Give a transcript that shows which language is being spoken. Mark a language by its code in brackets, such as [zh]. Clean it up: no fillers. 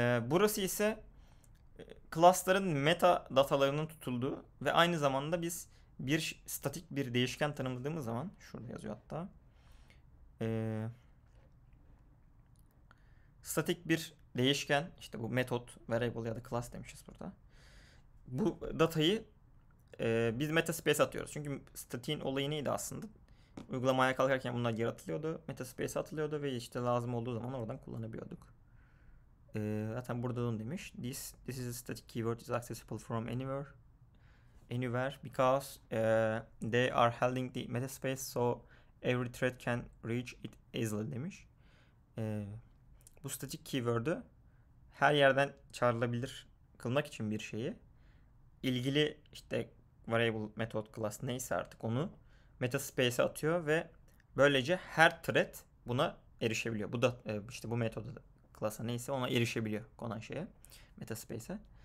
[tr] Burası ise class'ların meta datalarının tutulduğu ve aynı zamanda biz bir statik bir değişken tanımladığımız zaman, şurada yazıyor hatta, statik bir değişken, işte bu metot, variable ya da class demişiz burada. Bu datayı biz metaspace atıyoruz. Çünkü statiğin olayı neydi aslında? Uygulamaya kalkarken bunlar yaratılıyordu. Metaspace atılıyordu ve işte lazım olduğu zaman oradan kullanabiliyorduk. Zaten burada da demiş. [en] This is a static keyword is accessible from anywhere because they are holding the metaspace so every thread can reach it easily [tr] demiş. Bu static keyword'ü her yerden çağrılabilir kılmak için bir şeyi, ilgili işte variable, method, class neyse artık onu metaspace'e atıyor ve böylece her thread buna erişebiliyor. Bu da işte bu metoda, class'a neyse, ona erişebiliyor konan şeye, metaspace'e.